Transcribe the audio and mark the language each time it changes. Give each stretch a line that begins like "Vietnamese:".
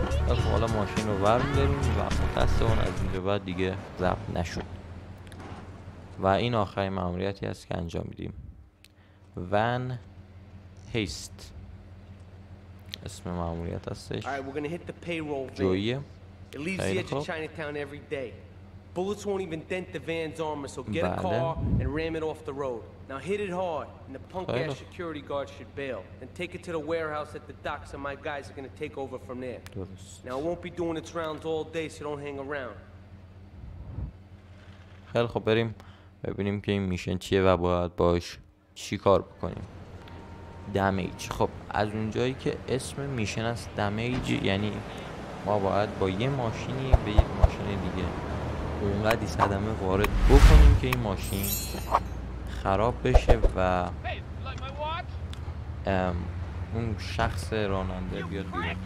Persian: از حالا ماشین رو ور میداریم و متاسفانه از اینجا بعد دیگه ضبط نشد و این آخرین ماموریتی است که انجام میدیم. ون هیست اسم ماموریت هستش.
English: جویه It leaves the edge of Chinatown every day. Bullets won't even dent the van's armor, so get a car and ram it off the road. Now hit it hard, and the punk-ass security guard should bail. And take it to the warehouse at the docks, and my guys are gonna take over from there. Now it won't be doing its rounds all day, so don't hang around.
Persian: خیلی خوب بریم ببینیم که این میشن چیه و باید باش چی کار بکنیم. دمیج. خب از اونجایی که اسم میشن است دمیج، یعنی ما باید با یه ماشینی به یه ماشین دیگه اونقدی صدمه وارد بکنیم که این ماشین خراب بشه و اون شخص راننده بیاد بیرون.